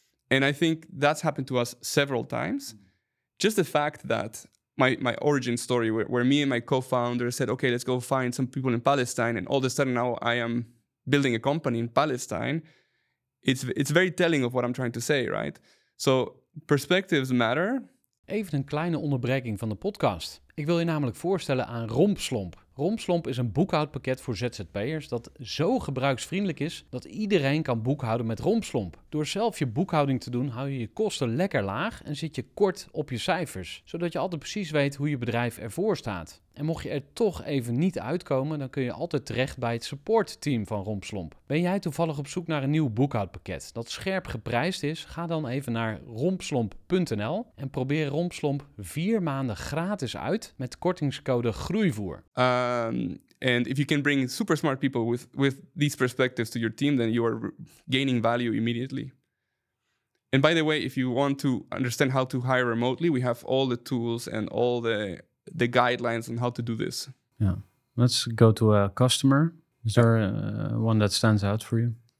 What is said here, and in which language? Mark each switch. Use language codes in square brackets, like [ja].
[en] And I think that's happened to us several times. Just the fact that my origin story where me and my co-founder said, okay, let's go find some people in Palestine, and all of a sudden now I am building a company in Palestine, it's very telling of what I'm trying to say, right? So perspectives matter, [nl] Even een kleine onderbreking van de podcast. Ik wil je namelijk voorstellen aan Rompslomp. Rompslomp is een boekhoudpakket voor ZZP'ers dat zo gebruiksvriendelijk is dat iedereen kan boekhouden met Rompslomp. Door zelf je boekhouding te doen, hou je je kosten lekker laag en zit je kort op je cijfers, zodat je altijd precies weet hoe je bedrijf ervoor staat. En mocht je er toch even niet uitkomen, dan kun je altijd terecht bij het supportteam van Rompslomp. Ben jij toevallig op zoek naar een nieuw boekhoudpakket dat scherp geprijsd is? Ga dan even naar rompslomp.nl en probeer Rompslomp 4 maanden gratis uit met kortingscode Groeivoer. [en] And if you can bring super smart people with these perspectives to your team, then you are gaining value immediately. And by the way, if you want to understand how to hire remotely, we have all the tools and all the guidelines on how to do this. Yeah, let's go to a customer. Is there one that stands out for you?